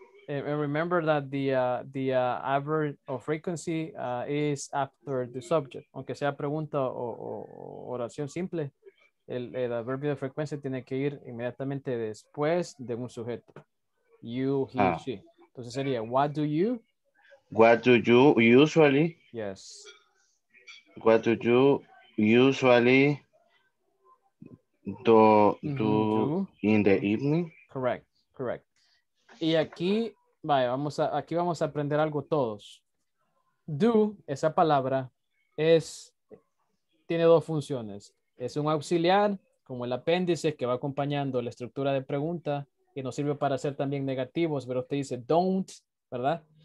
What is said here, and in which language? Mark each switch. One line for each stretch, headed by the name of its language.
English: And remember that the average or frequency is after the subject.
Spanish: Aunque sea pregunta o oración simple, el adverbio de frecuencia tiene que ir inmediatamente después de un sujeto.
English: You, he, or she.
Spanish: Entonces sería,
English: what do you? What do you usually? Yes. What do you usually do in the evening? Correct.
Spanish: Y aquí, vaya, vamos a aprender algo todos. Do, esa palabra, tiene dos funciones. Es un auxiliar, como el apéndice que va acompañando la estructura de pregunta, que nos sirve para hacer también negativos, pero usted dice don't, ¿verdad?